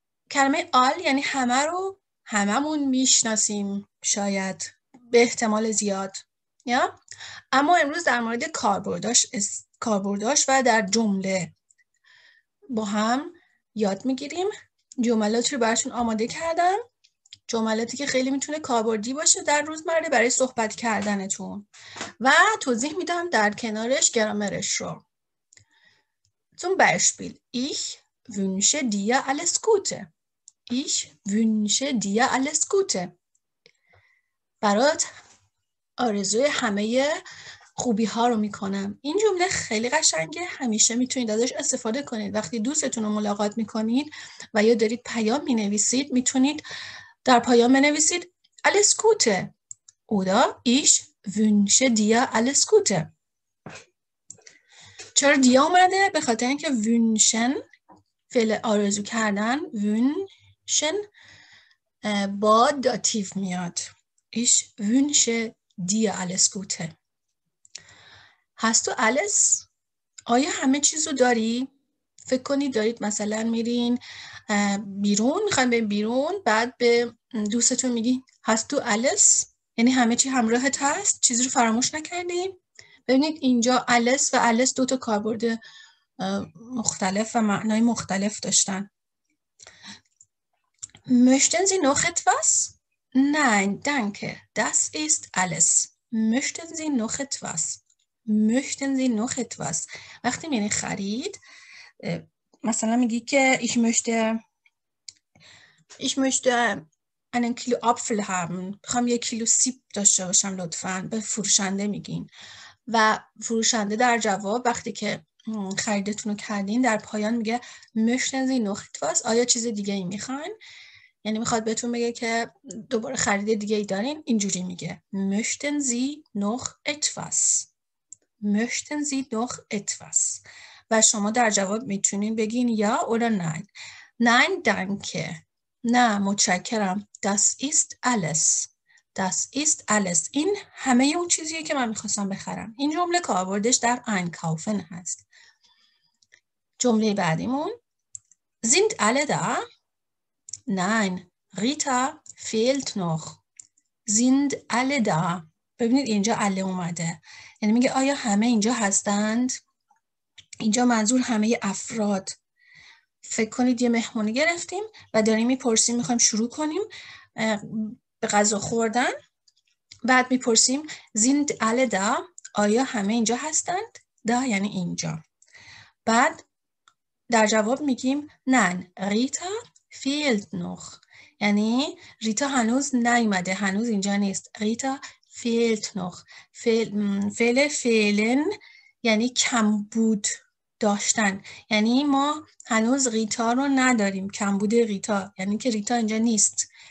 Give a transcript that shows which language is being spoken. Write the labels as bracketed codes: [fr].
[fa] کلمه آل یعنی همه رو، هممون میشناسیم شاید به احتمال زیاد، یا اما امروز در مورد کاربرداش و در جمله با هم یاد میگیریم. جملاتی رو براتون آماده کردم، جملاتی که خیلی میتونه کاربردی باشه در روزمره برای صحبت کردنتون، و توضیح میدم در کنارش گرامرش رو. [de] Zum Beispiel: Ich wünsche dir alles Gute. Ich wünsche dir alles Gute. [fa] برات آرزوی همه خوبی ها رو میکنم. این جمله خیلی قشنگه، همیشه میتونید ازش استفاده کنید. وقتی دوستتون رو ملاقات میکنید و یا دارید پیام مینویسید، میتونید در پیام بنویسید [de] alles Gute. Oder ich wünsche dir alles Gute. [fa] چرا دیا اومده؟ به خاطر اینکه wünschen فعل آرزو کردن، wünschen با داتیو میاد. [de] Ich wünsche دی alles Gute. هست تو alles؟ [fa] آیا همه چیز رو داری؟ فکر کنید دارید مثلا میرین بیرون، میخواییم بریم بیرون، بعد به دوستتون میگی هست تو alles؟ یعنی همه چی همراهت هست؟ چیزی رو فراموش نکردی؟ ببینید اینجا alles و alles دوتا کاربرد مختلف و معنای مختلف داشتن. [de] Möchten Sie noch etwas؟ Nein, danke. Das ist alles. Möchten Sie noch etwas? Möchten Sie noch etwas? [fa] وقتی میری خرید مثلا میگی که [de] ich möchte einen Kilo Apfel haben. [fa] میخوام یک کیلو سیب داشته باشم لطفا، به فروشنده میگین. و فروشنده در جواب وقتی که خریدتون رو کردین در پایان میگه [de] Möchten Sie noch etwas? [fa] آیا چیز دیگه ای میخواین؟ یعنی میخواد بهتون بگه که دوباره خرید دیگه ای دارین. اینجوری میگه [de] Möchten Sie noch etwas? Möchten Sie noch etwas? [fa] و شما در جواب میتونین بگین [de] یا اولا نین. نین دنکه. [fa] نه متشکرم. [de] Das ist alles. Das ist alles. [fa] این همه ی اون چیزیه که من میخواستم بخرم. این جمله کاربردش در Einkaufen هست. جمله بعدیمون [de] Sind alle da? Nein, Rita fehlt noch. Sind alle da? [fa] ببینید اینجا alle اومده. یعنی میگه آیا همه اینجا هستند؟ اینجا منظور همه افراد. فکر کنید یه مهمونی گرفتیم و داریم میپرسیم میخوایم شروع کنیم به غذا خوردن. بعد میپرسیم [de] Sind alle da? [fa] آیا همه اینجا هستند؟ da یعنی اینجا. بعد در جواب میگیم [de] Nein, Rita فیلت نوخ، [fa] یعنی ریتا هنوز نیومده، هنوز اینجا نیست. [de] ریتا فیلت نوخ، [fa] فیلن یعنی کمبود داشتن، یعنی ما هنوز ریتا رو نداریم، کمبود ریتا، یعنی که ریتا اینجا نیست.